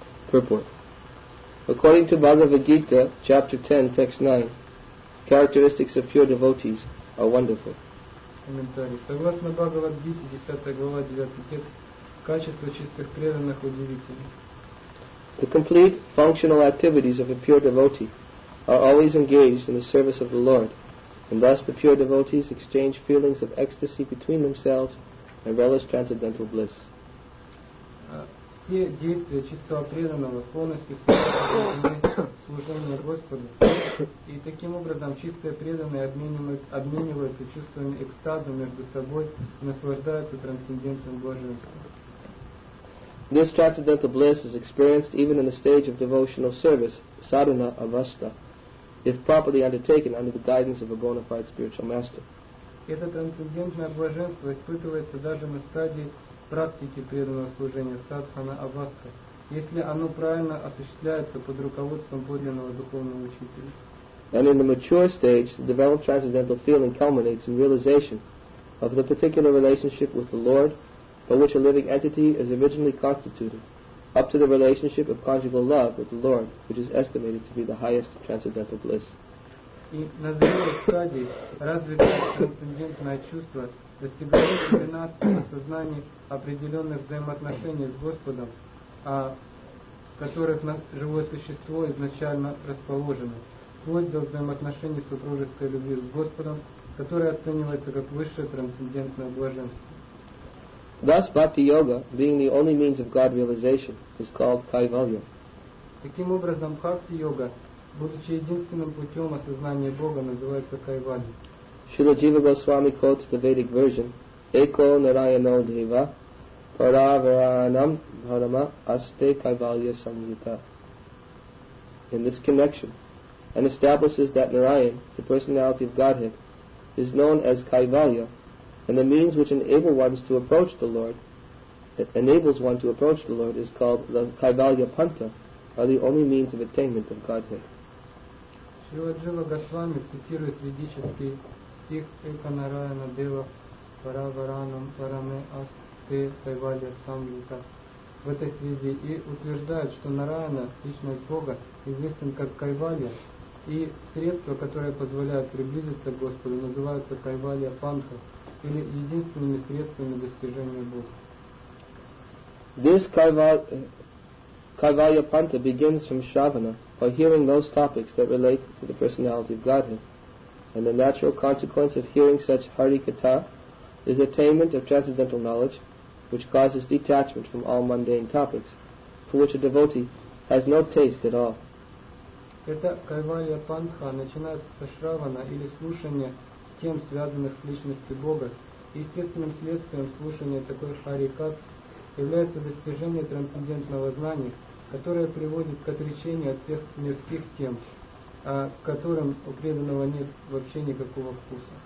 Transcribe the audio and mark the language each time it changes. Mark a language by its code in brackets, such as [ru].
[en] Purport. According to Bhagavad Gita, chapter 10, text 9, characteristics of pure devotees are wonderful. [ru] Комментарий. Согласно Бхагавад Гите, 10 глава, 9 текст, качество чистых преданных удивительны. [en] The complete functional activities of a pure devotee are always engaged in the service of the Lord, and thus the pure devotees exchange feelings of ecstasy between themselves and relish transcendental bliss. [ru] Все действия чистого преданного полностью связаны с служением Господу, и таким образом чистые преданные обмениваются чувствами экстаза между собой и наслаждаются трансцендентным блаженством. [en] This transcendental bliss is experienced even in the stage of devotional service, sadhana avastha, if properly undertaken under the guidance of a bona fide spiritual master. [ru] Это трансцендентное блаженство испытывается даже на стадии практики преданного служения садхана аваста, если оно правильно осуществляется под руководством подлинного духовного учителя. [en] And in the mature stage, the developed transcendental feeling culminates in realization of the particular relationship with the Lord by which a living entity is originally constituted, up to the relationship of conjugal love with the Lord, which is estimated to be the highest transcendental bliss. [ru] И на зрелой стадии развитое трансцендентное чувство достигает кульминации в осознании определенных взаимоотношений с Господом, в которых живое существо изначально расположено, вплоть до взаимоотношений супружеской любви с Господом, которое оценивается как высшее трансцендентное блаженство. [en] Thus, bhakti yoga, being the only means of God realization, is called kaivalya. [ru] Таким образом, bhakti yoga, будучи единственным путем осознания Бога, называется кайвалья. [sa] Śrīla Jīva Gosvāmī [en] quotes the Vedic version: [sa] Eko Narayano Deva Paravaranam Bharama Aste Kaivalya Samyutā. [en] In this connection, and establishes that Narayan, the personality of Godhead, is known as kaivalya, and the means which enables one to approach the Lord is called the kaivalya panta, are the only means of attainment of Godhead. [ru] Śrīla Jīva Gosvāmī цитирует ведический стих Эка Нараяна Дева Параваранам Параме Асте Кайвалья Самьюта в этой связи и утверждает, что Нараяна, личность Бога, известен как кайвалья, и средства, которые позволяют приблизиться к Господу, называются кайвалья панха, или единственными средствами достижения Бога. [en] This kaivalya panta begins from shravana, by hearing those topics that relate to the personality of Godhead, and the natural consequence of hearing such harikatha is attainment of transcendental knowledge, which causes detachment from all mundane topics, for which a devotee has no taste at all. [ru] Это кайвалья панха начинается со шравана или слушания тем, связанных с личностью Бога. Естественным следствием слушания такой харикат является достижение трансцендентного знания, которое приводит к отречению от всех мирских тем, к которым у преданного нет вообще никакого вкуса.